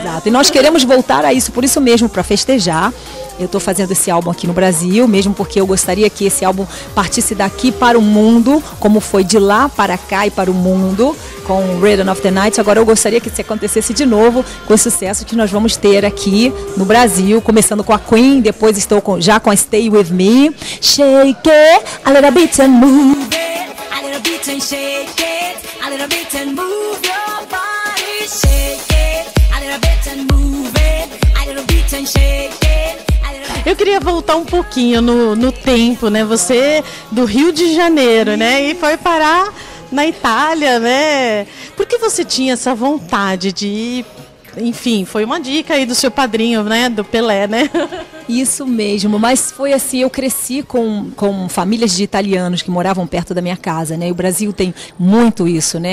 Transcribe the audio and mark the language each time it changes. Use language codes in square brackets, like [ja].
[pt] Exato. E nós queremos voltar a isso, por isso mesmo, para festejar. Eu tô fazendo esse álbum aqui no Brasil, mesmo porque eu gostaria que esse álbum partisse daqui para o mundo, como foi de lá para cá e para o mundo, com o Rhythm of the Night. Agora eu gostaria que isso acontecesse de novo, com o sucesso que nós vamos ter aqui no Brasil, começando com a Queen, depois estou já com a Stay With Me. [en] Shake it, a little bit and move it, a little bit and shake it, a little bit and move your body. Shake it, a little bit and move it, a little bit and shake. [pt] Eu queria voltar um pouquinho no tempo, né? Você do Rio de Janeiro, né? E foi parar na Itália, né? Por que você tinha essa vontade de ir? Enfim, foi uma dica aí do seu padrinho, né? Do Pelé, né? Isso mesmo, mas foi assim, eu cresci com famílias de italianos que moravam perto da minha casa, né? E o Brasil tem muito isso, né?